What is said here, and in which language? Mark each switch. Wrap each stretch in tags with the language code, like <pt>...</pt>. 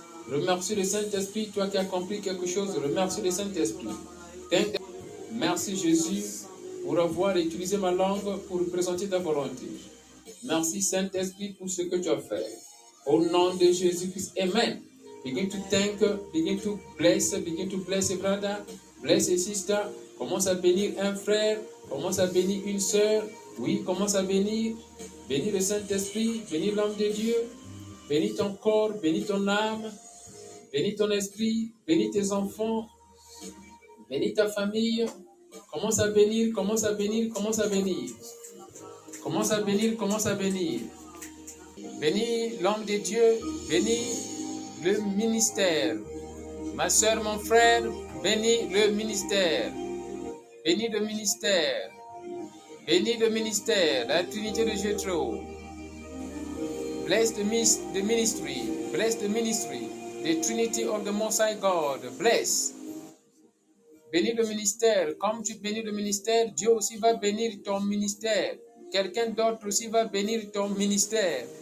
<fr>Remercie le Saint-Esprit, toi qui as compris quelque chose, remercie le Saint-Esprit. Merci Jésus pour avoir utilisé ma langue pour présenter ta volonté. Merci Saint-Esprit pour ce que tu as fait. Au nom de Jésus-Christ, Amen.</fr> <en>Begin to thank, begin to bless your brother, bless your sister.</en> <fr>Commence à bénir un frère, commence à bénir une sœur. Oui, commence à bénir. Bénis le Saint-Esprit, bénis l'homme de Dieu. Bénis ton corps, bénis ton âme. Bénis ton esprit, bénis tes enfants, bénis ta famille. Commence à bénir, commence à bénir, commence à bénir. Commence à bénir, commence à bénir. Bénis l'homme de Dieu, bénis le ministère. Ma soeur, mon frère, bénis le ministère. Bénis le ministère. Bénis le ministère, la Trinité de Jéthro.</fr> <en>Bless the ministry, bless the ministry. The Trinity of the Most High God, bless.</en> <fr>Bénis le ministère. Comme tu bénis le ministère, Dieu aussi va bénir ton ministère. Quelqu'un d'autre aussi va bénir ton ministère.</fr>